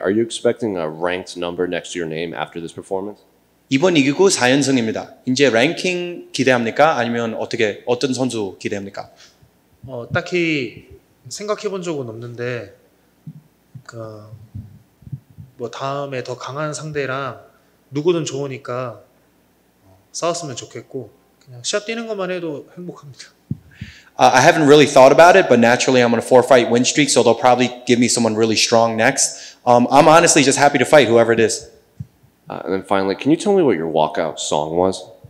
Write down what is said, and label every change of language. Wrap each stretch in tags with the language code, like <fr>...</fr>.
<en>Are you expecting a ranked number next to your name after this performance?</en> <ko>이번 이기고 4연승입니다. 이제 랭킹 기대합니까? 아니면 어떤 선수 기대합니까? 딱히 생각해본 적은 없는데 다음에 더 강한 상대랑 누구든 좋으니까 싸웠으면 좋겠고 그냥 시합 뛰는 것만 해도 행복합니다.</ko> <en>I haven't really thought about it, but naturally I'm on a 4-fight win streak, so they'll probably give me someone really strong next. I'm honestly just happy to fight whoever it is. And then finally, can you tell me what your walkout song was?</en>